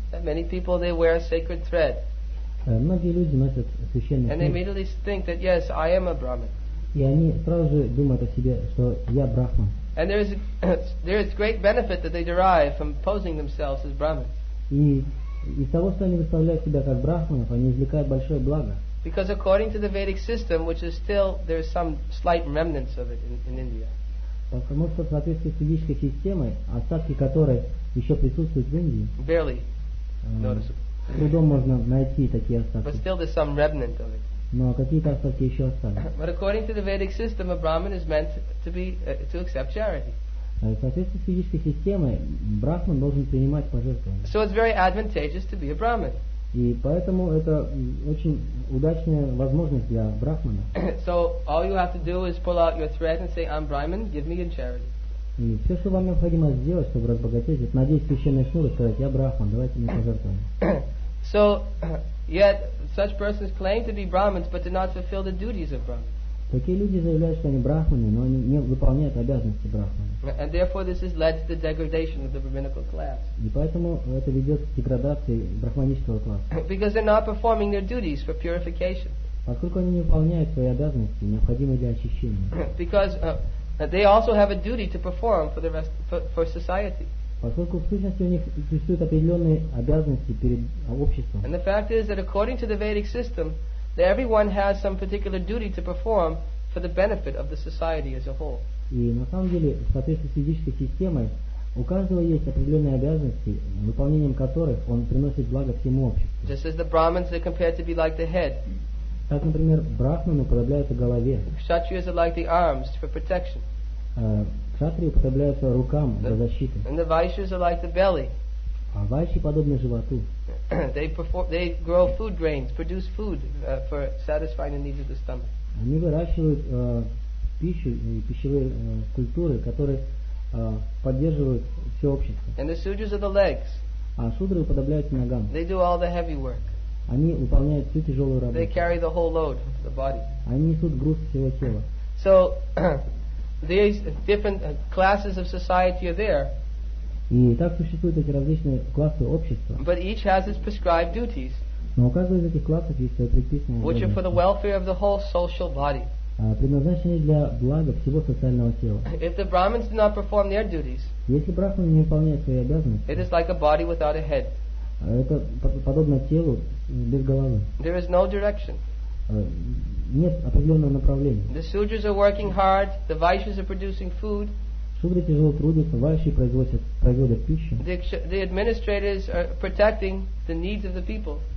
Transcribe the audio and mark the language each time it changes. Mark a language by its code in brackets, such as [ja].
[en] That many people, they wear a sacred thread. [ru] Многие люди носят священный [en] thread. And they immediately think that, yes, I am a brahman. [ru] И они сразу же думают о себе, что я брахман. [en] And there is great benefit that they derive from posing themselves as brahmins. [ru] И из того, что они выставляют себя как брахманов, они извлекают большое благо. [en] Because according to the Vedic system, which is still there is some slight remnants of it in India. [ru] Потому что в соответствии с ведической системой, остатки которой еще присутствуют в Индии. [en] Barely noticeable. [ru] Трудом можно найти такие остатки. [en] But still there's some remnant of it. [ru] Но какие-то остатки еще остались. [en] But according to the Vedic system, a brahman is meant to be to accept charity. [ru] В соответствии с ведической системой, брахман должен принимать пожертвования. [en] So it's very advantageous to be a brahman. [ru] И поэтому это очень удачная возможность для брахмана. [en] So all you have to do is pull out your thread and say, "I'm brahman, give me your charity." [ru] И все, что вам необходимо сделать, чтобы разбогатеть, это надеть священный шнур и сказать, "Я брахман, давайте мне пожертвования." [en] So yet such persons claim to be brahmins but do not fulfill the duties of brahmins. [ru] Такие люди заявляют, что они брахманы, но они не выполняют обязанности брахмана. [en] And therefore this has led to the degradation of the brahminical class. [ru] И поэтому это ведет к деградации брахманического класса. [en] Because they're not performing their duties for purification. [ru] Поскольку они не выполняют свои обязанности, необходимые для очищения. [en] Because they also have a duty to perform for the rest for society. [ru] Поскольку в сущности у них существуют определенные обязанности перед обществом. [en] And the fact is that according to the Vedic system, that everyone has some particular duty to perform for the benefit of the society as a whole. [ru] И на самом деле, в соответствии с ведической системой, у каждого есть определенные обязанности, выполнением которых он приносит благо всему обществу. [en] Just as the brahmins are compared to be like the head. [ru] Так, например, брахманы уподобляются голове. [en] Kshatriyas are like the arms for protection. [ru] Кшатрии уподобляются рукам для защиты. [en] And the vaishyas are like the belly. [ru] А вайши подобны животу. [en] They grow food grains, produce food for satisfying the needs of the stomach. [ru] Они выращивают пищу и пищевые культуры, которые поддерживают все общество. [en] And the sudras are the legs. [ru] А шудры уподобляются ногам. [en] They do all the heavy work. [ru] Они выполняют всю тяжелую работу. [en] They carry the whole load of the body. [ru] Они несут груз всего тела. [en] So these different classes of society are there. [ru] И так существуют эти различные классы общества. [en] But each has its prescribed duties. [ru] Но у каждого из этих классов есть свои предписанные. [en] Which are for the welfare of the whole social body. [ru] Предназначены для блага всего социального тела. [en] If the brahmins do not perform their duties. [ru] Если брахманы не выполняют свои обязанности. [en] It is like a body without a head. [ru] Это подобно телу без головы. [en] There is no direction. [ru] Нет определенного направления. [en] The sudras are working hard. The vaishyas are producing food. [ru] Шудры тяжело трудятся, вайши производят пищу. [en] The administrators are protecting the needs of the people.